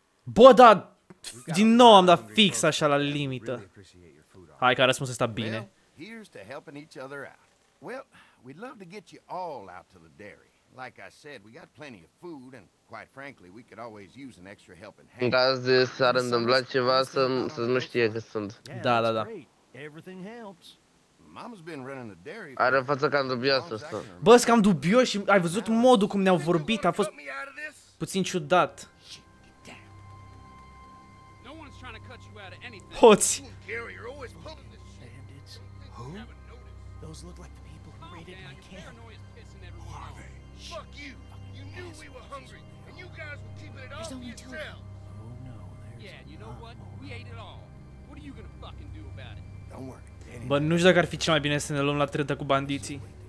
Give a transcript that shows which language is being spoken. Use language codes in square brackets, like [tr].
[ro] Bă, da, din nou am dat fix așa la limită. Hai că răspunsul ăsta bine. [en] Here's to helping each other out. Well, we'd love to get you all out to the dairy. Like I said, we got plenty of food and quite frankly, we could always use an extra helping hand. [ro] În caz de s-ar întâmpla ceva să nu știe că sunt. [en] Da, da, da. Everything helps. Mama's been running the dairy. [ro] Are față cam dubioasă asta. Bă, sunt cam dubios și ai văzut modul cum ne-au vorbit, a fost puțin ciudat. Hoți. [en] Those look like the people who raided my camp. Who are they? Fuck you. You knew we were hungry and you guys were keeping it up yourself. Oh no, there's you know what? We ate it all. What are you gonna fucking do about it? Don't worry. [ro] Bă, nu știu dacă ar fi cel mai bine să ne luăm la trântă cu bandiții.